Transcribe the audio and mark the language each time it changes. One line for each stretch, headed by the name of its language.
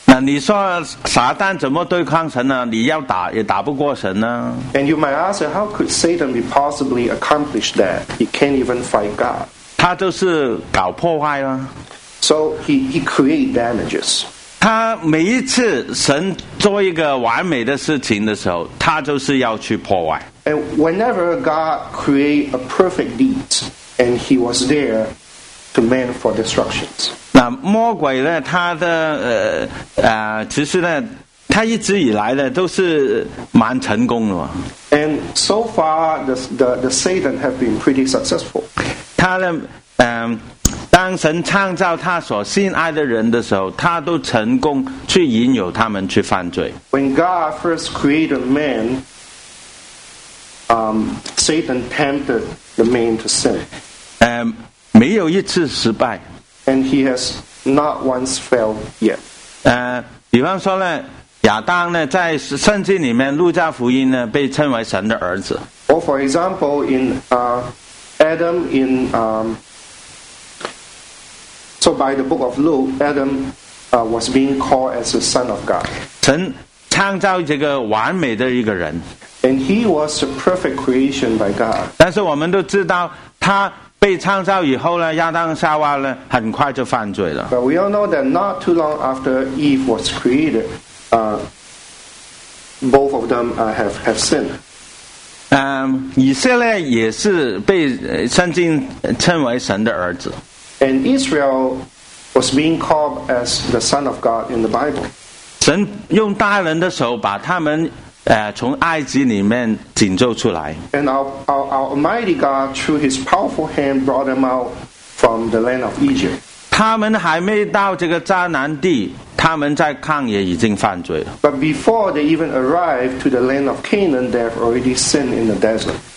Chinese: 那你说撒旦怎么对抗神呢？你要打也打不过神呢。
English: And you might ask, how could Satan be possibly accomplish that? He can't even fight God.
Chinese: 他就是搞破坏啊。
English: So he create damages.
Chinese: 他每一次神做一个完美的事情的时候，他就是要去破坏。
English: And whenever God create a perfect deed, and he was there. To man for destructions.
Chinese: 那魔鬼呢？他的其实呢，他一直以来呢都是蛮成功的。
English: And so far, the Satan have been pretty successful.
Chinese: 他呢，当神创造他所心爱的人的时候，他都成功去引诱他们去犯罪。
English: When God first created man, Satan tempted the man to sin.
Chinese: 没有一次失败。
English: And he has not once failed yet.
Chinese: 比方说呢，亚当呢，在圣经里面，路加福音呢，被称为神的儿子。
English: Or for example, in Adam in so by the book of Luke, Adam was being called as the son of God.
Chinese: 神创造这个完美的一个人。
English: And he was a perfect creation by God.
Chinese: 但是我们都知道他。被创造以后呢，亚当夏娃呢，很快就犯罪了。
English: But we all know that not too long after Eve was created, both of them have sinned.
Chinese: 以色列也是被圣经称为神的儿子。
English: And Israel was being called as the son of God in the Bible.
Chinese: 神用大能的手把他们。从埃及里面拯救出来。
English: And our Almighty God, through His powerful hand, brought them out from the land of Egypt.
Chinese: 他们还没到这个迦南地，他们在旷野已经犯罪了。
English: But before they even arrived to the land of Canaan, they have already sinned in the desert.